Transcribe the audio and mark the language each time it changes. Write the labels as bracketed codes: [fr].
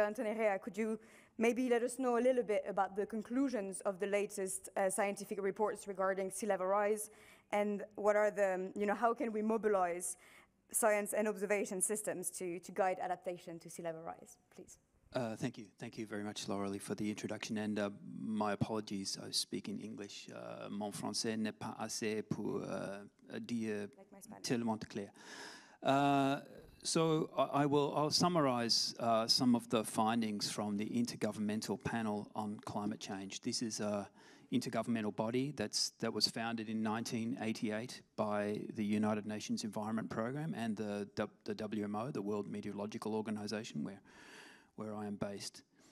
[en] Anthony Rea, could you maybe let us know a little bit about the conclusions of the latest scientific reports regarding sea level rise, and what are the, you know, how can we mobilize science and observation systems to guide adaptation to sea level rise, please? Thank you. Thank you very much, Loreley, for the introduction. And my apologies, I speak in English. [fr] Mon français n'est pas assez pour dire tellement clair. [en] So I'll summarize some of the findings from the Intergovernmental Panel on Climate Change. This is a intergovernmental body that was founded in 1988 by the United Nations Environment Programme and the WMO, the World Meteorological Organization, where I am based.